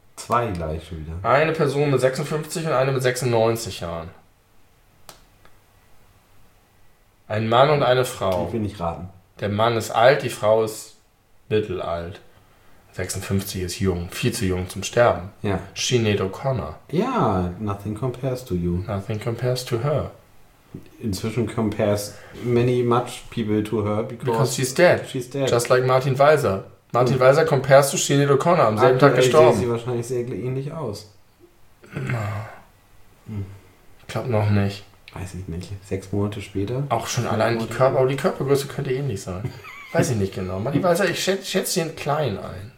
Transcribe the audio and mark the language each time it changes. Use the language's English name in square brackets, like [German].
[German] Zwei gleich schon wieder. Eine Person mit 56 und eine mit 96 Jahren. Ein Mann und eine Frau. Ich will nicht raten. Der Mann ist alt, die Frau ist... mittelalt. 56 ist jung. Viel zu jung zum Sterben. Ja. Sinead O'Connor. Ja, [English] nothing compares to you. Nothing compares to her. [German] Inzwischen [English] compares many much people to her because she's dead. She's dead. Just like Martin Weiser. Martin Weiser compares to Sinead O'Connor. [German] Am selben Tag gestorben. Sieht sie wahrscheinlich sehr ähnlich aus. Ich glaube noch nicht. Weiß ich nicht. 6 Monate später? Auch schon allein die Körper, aber die Körpergröße könnte ähnlich sein. Weiß ich nicht genau. Martin Weiser, ich schätze ihn klein ein.